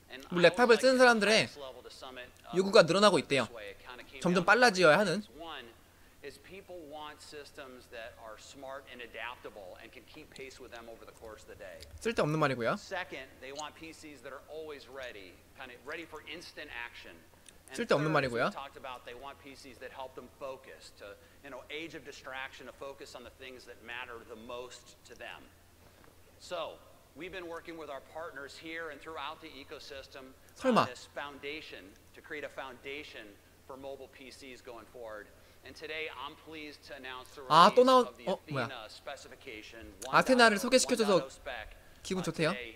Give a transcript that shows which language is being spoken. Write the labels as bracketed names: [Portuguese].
[Korean] 랩탑을 쓰는 사람들의 요구가 늘어나고 있대요. 점점 빨라지어야 하는. [English] Is people want systems that are smart and adaptable and can keep pace with them over the course of the day. [Korean] 쓸데없는 말이고요. [English] Second, they want PCs that are always ready, kind of ready for instant action. [Korean] 쓸데없는 말이고요. [English] Talked about they want PCs that help them focus to, you know, age of distraction to focus on the things that matter the most to them. So, we've been working with our partners here and throughout the ecosystem on this foundation to create a foundation for mobile PCs going forward. And today I'm pleased to announce the release of the Athena specification. [Korean] 아테나를 소개시켜줘서 기분 좋대요.